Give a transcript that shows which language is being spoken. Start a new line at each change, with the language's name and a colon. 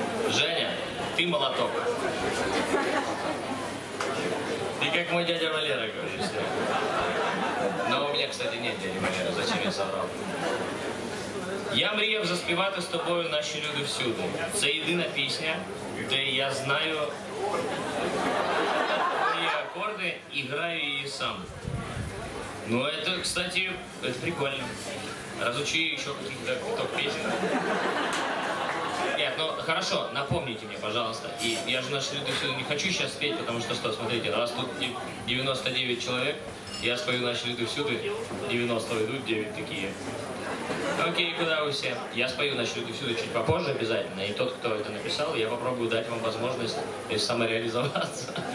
Russian: Женя, ты молоток. Ты как мой дядя Валера, короче. Но у меня, кстати, нет дяди Валера, зачем я соврал?
Ukrainian: Я мрів заспівати з тобою наші люди всюди. Це єдина пісня, де я знаю твої акорди і граю її сам. Ну, це, кстати, це прикольно. Розучи ще каких-то пісень.
Russian: Нет, ну хорошо, напомните мне, пожалуйста. И я же наши люди всюду не хочу сейчас спеть, потому что что, смотрите, раз тут 99 человек, я спою наши люди всюду, 90 идут, 9 такие. Окей, куда вы все? Я спою наши люди всюду чуть попозже обязательно. И тот, кто это написал, я попробую дать вам возможность самореализоваться.